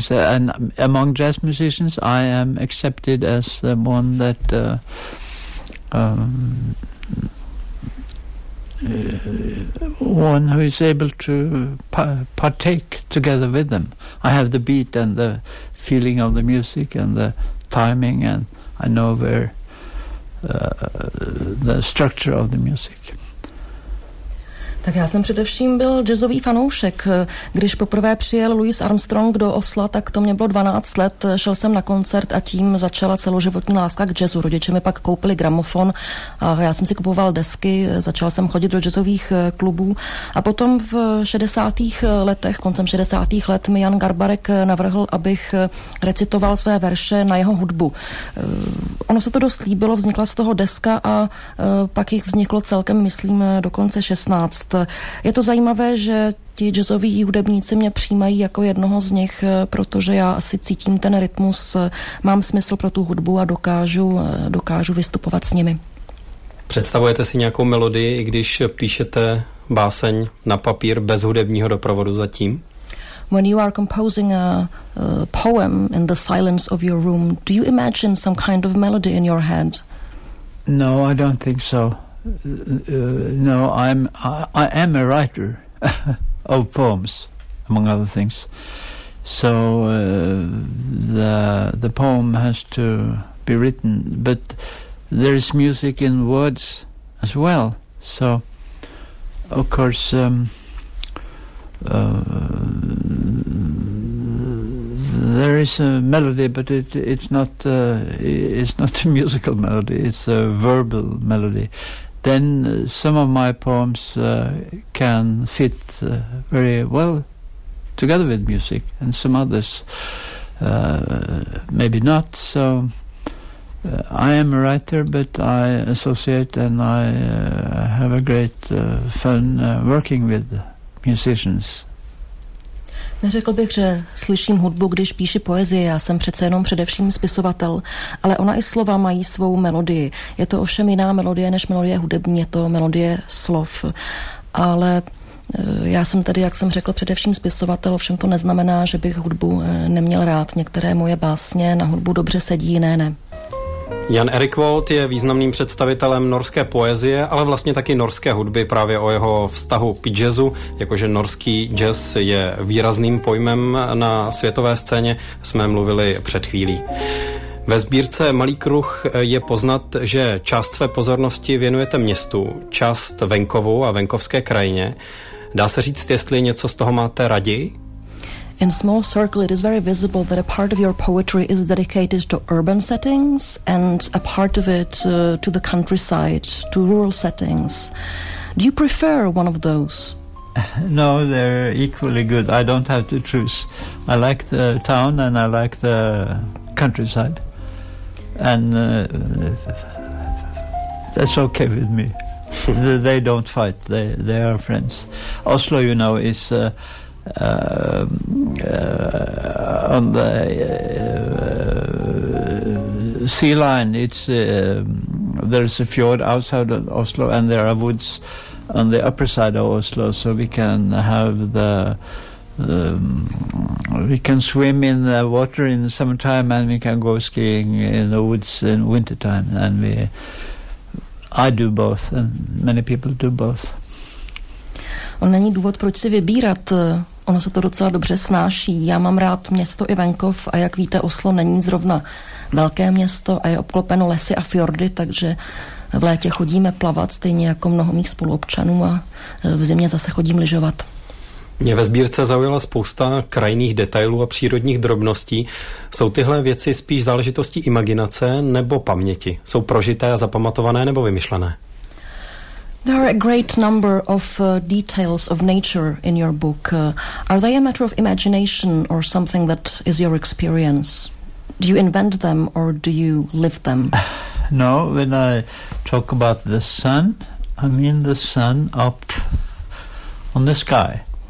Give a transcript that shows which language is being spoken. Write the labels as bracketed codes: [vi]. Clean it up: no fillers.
[en] So, and among jazz musicians, I am accepted as one that one who is able to partake together with them. I have the beat and the feeling of the music and the timing, and I know where the structure of the music. [cs] Tak já jsem především byl jazzový fanoušek. Když poprvé přijel Louis Armstrong do Osla, tak to mě bylo 12 let. Šel jsem na koncert a tím začala celoživotní láska k jazzu. Rodiče mi pak koupili gramofon a já jsem si kupoval desky, začal jsem chodit do jazzových klubů. A potom v 60. letech, koncem 60. let, mi Jan Garbarek navrhl, abych recitoval své verše na jeho hudbu. Ono se to dost líbilo, vznikla z toho deska a pak jich vzniklo celkem, myslím, dokonce 16. Je to zajímavé, že ti jazzoví hudebníci mě přijímají jako jednoho z nich, protože já asi cítím ten rytmus, mám smysl pro tu hudbu a dokážu vystupovat s nimi. Představujete si nějakou melodii, i když píšete báseň na papír bez hudebního doprovodu zatím? [en] When you are composing a poem in the silence of your room, do you imagine some kind of melody in your head? No, I don't think so. No, I am a writer of poems, among other things. So the poem has to be written, but there is music in words as well. So, of course, there is a melody, but it's not a musical melody. It's a verbal melody. Then some of my poems can fit very well together with music, and some others maybe not. So I am a writer, but I associate and I have a great fun working with musicians. [cs] Neřekl bych, že slyším hudbu, když píši poezii, já jsem přece jenom především spisovatel, ale ona i slova mají svou melodii. Je to ovšem jiná melodie než melodie hudební, je to melodie slov. Ale já jsem tady, jak jsem řekl, především spisovatel, ovšem to neznamená, že bych hudbu neměl rád. Některé moje básně na hudbu dobře sedí, jiné ne. Jan Erik Volt je významným představitelem norské poezie, ale vlastně taky norské hudby, právě o jeho vztahu k jazzu, jakože norský jazz je výrazným pojmem na světové scéně, jsme mluvili před chvílí. Ve sbírce Malý kruh je poznat, že část své pozornosti věnujete městu, část venkovu a venkovské krajině. Dá se říct, jestli něco z toho máte raději? [en] In small circle, it is very visible that a part of your poetry is dedicated to urban settings and a part of it to the countryside, to rural settings. Do you prefer one of those? No, they're equally good. I don't have to choose. I like the town and I like the countryside. And that's okay with me. They don't fight. They are friends. Oslo, you know, is on the sea line. It's there's a fjord outside of Oslo, and there are woods on the upper side of Oslo, so we can have we can swim in the water in the summertime, and we can go skiing in the woods in wintertime. And I do both, and many people do both. [cs] On není důvod, proč si vybírat. Ono se to docela dobře snáší. Já mám rád město i venkov a jak víte, Oslo není zrovna velké město a je obklopeno lesy a fjordy, takže v létě chodíme plavat, stejně jako mnoho mých spoluobčanů, a v zimě zase chodím lyžovat. Mě ve sbírce zaujala spousta krajinných detailů a přírodních drobností. Jsou tyhle věci spíš záležitostí imaginace nebo paměti? Jsou prožité a zapamatované nebo vymyšlené? [en] There are a great number of details of nature in your book. Are they a matter of imagination or something that is your experience? Do you invent them or do you live them? No, when I talk about the sun, I mean the sun up on the sky.